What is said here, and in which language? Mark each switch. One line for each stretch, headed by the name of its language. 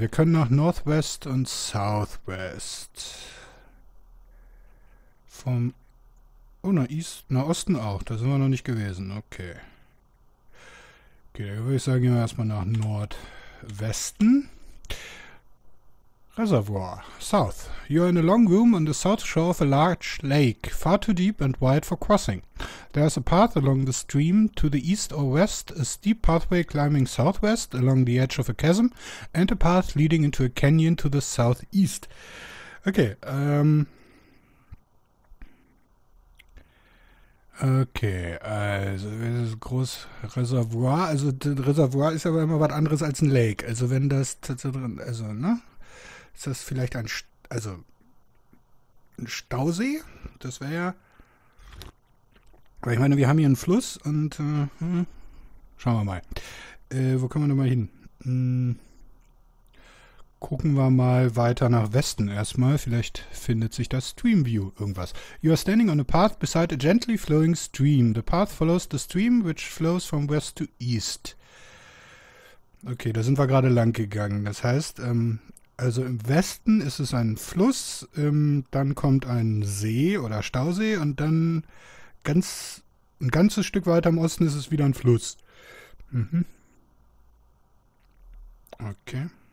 German: Wir können nach Northwest und Southwest. Vom. Oh, nach East. Nach Osten auch. Da sind wir noch nicht gewesen. Okay. Okay, dann würde ich sagen, gehen wir erstmal nach Nordwesten.
English: Reservoir, south. You are in a long room on the south shore of a large lake, far too deep and wide for crossing. There is a path along the stream to the east or west, a steep pathway climbing southwest along the edge of a chasm, and a path leading into a canyon to the southeast.
German: Okay, okay, also das große Reservoir. Also das Reservoir ist aber immer was anderes als ein Lake. Also wenn das, also ne? Ist das vielleicht ein, also ein Stausee? Das wäre ja. Weil ich meine, wir haben hier einen Fluss und schauen wir mal. Wo können wir denn mal hin? Gucken wir mal weiter nach Westen erstmal. Vielleicht findet sich das Streamview irgendwas.
English: You are standing on a path beside a gently flowing stream. The path follows the stream, which flows from west to east.
German: Okay, da sind wir gerade lang gegangen. Das heißt, also im Westen ist es ein Fluss, dann kommt ein See oder Stausee und dann ein ganzes Stück weiter im Osten ist es wieder ein Fluss. Okay.